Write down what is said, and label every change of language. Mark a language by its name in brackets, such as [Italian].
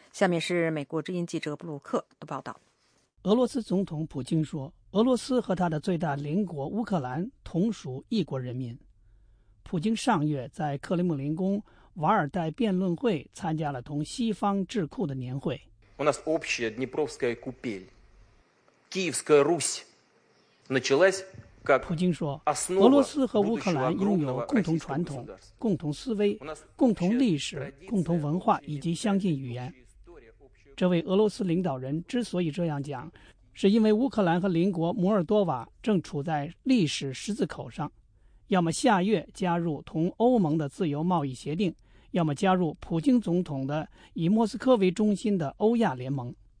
[Chinese] 下面是美国之音记者布鲁克的报道。俄罗斯总统普京说，俄罗斯和他的最大邻国乌克兰同属一国人民。普京上月在克里姆林宫瓦尔代辩论会参加了同西方智库的年会。 [Russian] У нас общая Днепровская купель, Киевская Русь началась как. [Chinese] 普京说，俄罗斯和乌克兰拥有共同传统、共同思维、共同历史、共同文化以及相近语言。这位俄罗斯领导人之所以这样讲，是因为乌克兰和邻国摩尔多瓦正处在历史十字口上，要么下月加入同欧盟的自由贸易协定，要么加入普京总统的以莫斯科为中心的欧亚联盟。